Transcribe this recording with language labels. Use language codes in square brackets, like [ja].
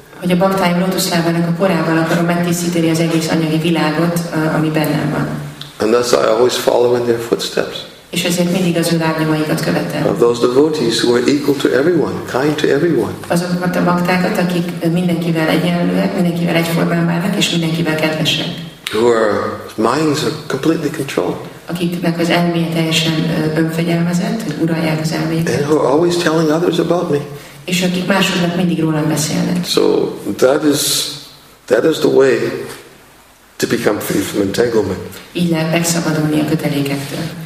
[hu] Hogy a baktáim lótuszlábának a porával akarom megtisztítani az egész anyagi világot, ami bennem van. [en] And thus I always follow in their footsteps. [hu] És ezért mindig az ő lábnyomaikat követem. [en] Of those devotees who are equal to everyone, kind to everyone. [hu] Azokat a baktákat, akik mindenkivel egyenlőek, mindenkivel egyformán bánnak és mindenkivel kedvesek. [en] Whose minds are completely controlled. [hu] Akiknek az elméje teljesen önfegyelmezett, hogy uralják az elméjüket. [en] And who are always telling others about me. [hu] És akik másoknak mindig rólam beszélnek. [en] So that is the way to become free from entanglement. [hu] Így lehet megszabadulni a kötelékektől.